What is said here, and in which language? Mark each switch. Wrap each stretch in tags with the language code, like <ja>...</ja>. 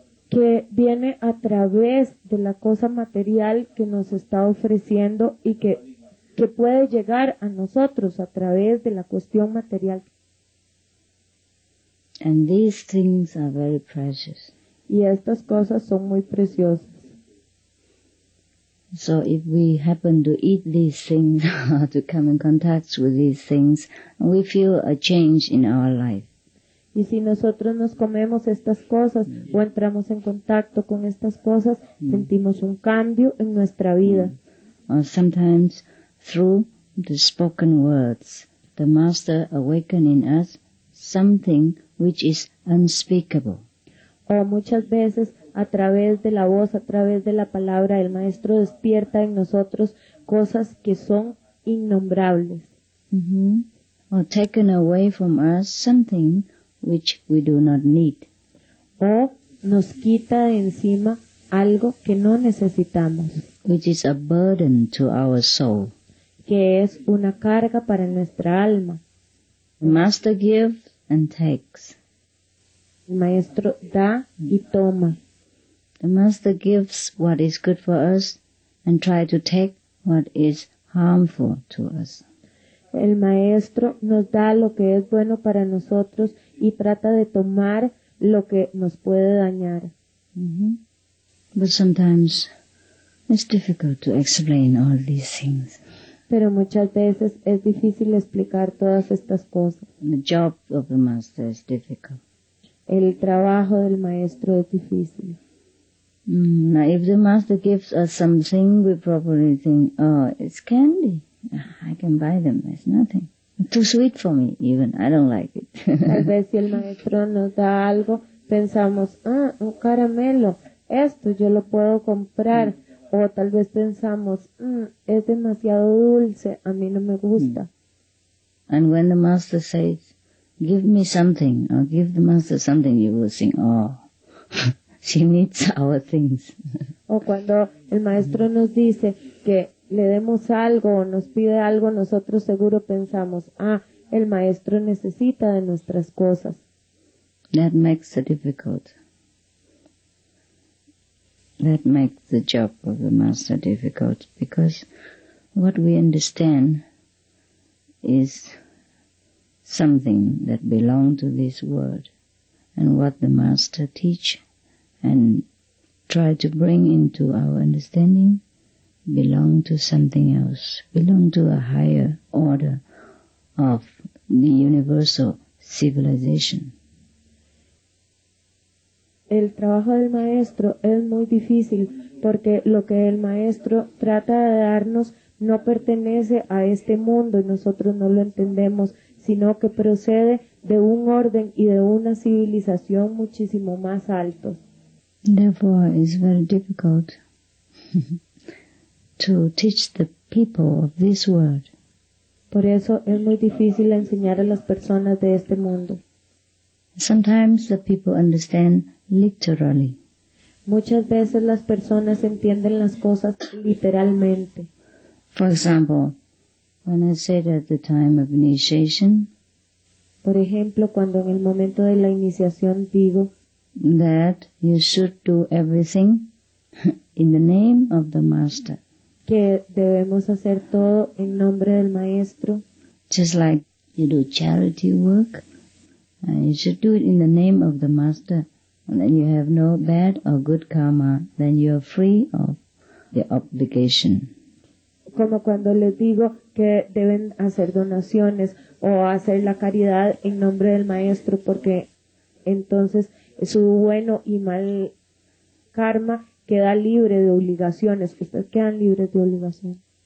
<es>Que viene a través de la cosa material que nos está ofreciendo y que puede llegar a nosotros a través de la cuestión material.</es> <en>And these things are very precious.</en> <es>Y estas cosas son muy preciosas.</es> <en>So if we happen to eat these things, to come in contact with these things, we feel a change in our life.</en> <es>Y si nosotros nos comemos estas cosas o entramos en contacto con estas cosas, sentimos un cambio en nuestra vida.</es> <en>Or sometimes through the spoken words, the master awakens in us something which is unspeakable.</en> <es>O muchas veces a través de la voz, a través de la palabra, el maestro despierta en nosotros cosas que son innombrables.</es> <en>Or taken away from us something which we do not need.</en> <es>O nos quita de encima algo que no necesitamos.</es> <en>Which is a burden to our soul.</en> <es>Que es una carga para nuestra alma.</es> <en>The master gives and takes.</en> <es>El maestro da y toma.</es> <en>The master gives what is good for us and tries to take what is harmful to us.</en> <es>El maestro nos da lo que es bueno para nosotros y trata de tomar lo que nos puede dañar.</es> <en>But sometimes it's difficult to explain all these things.</en> <es>Pero muchas veces es difícil explicar todas estas cosas.</es> <en>The job of the master is difficult.</en> <es>El trabajo del maestro es difícil.</es> <en>Now, if the master gives us something, we probably think, oh, it's candy. I can buy them. It's nothing. Too sweet for me, even. I don't like it.</en> <es>Tal vez si el maestro nos da algo, pensamos, ah, un caramelo. Esto yo lo puedo comprar. O tal vez pensamos, es demasiado dulce. A mí no me gusta.</es> <en>And when the master says, give me something, or give the master something, you will think, oh, she needs our things.</en> <es>O cuando el maestro nos dice que le demos algo o nos pide algo, nosotros seguro pensamos, ah, el maestro necesita de nuestras cosas.</es> <en>That makes it difficult. That makes the job of the master difficult, because what we understand is something that belongs to this world, and what the master teach and try to bring into our understanding belong to something else, belong to a higher order of the universal civilization.</en> <es>El trabajo del maestro es muy difícil porque lo que el maestro trata de darnos no pertenece a este mundo y nosotros no lo entendemos, sino que procede de un orden y de una civilización muchísimo más alto.</es> <en>Therefore, it's very difficult to teach the people of this world.</en> <es>Por eso es muy difícil enseñar a las personas de este mundo.</es> <en>Sometimes the people understand literally.</en> <es>Muchas veces las personas entienden las cosas literalmente.</es> <en>For example, when I said at the time of initiation,</en> <es>por ejemplo, cuando en el momento de la iniciación digo</es> <en>that you should do everything in the name of the master.</en> <es>que debemos hacer todo en nombre del Maestro.</es> <en>Just like you do charity work, you should do it in the name of the Master. And then you have no bad or good karma, then you are free of the obligation.</en> <es>Como cuando les digo que deben hacer donaciones o hacer la caridad en nombre del Maestro, porque entonces su bueno y mal karma queda libre de obligaciones. Ustedes quedan libres de obligaciones.</es>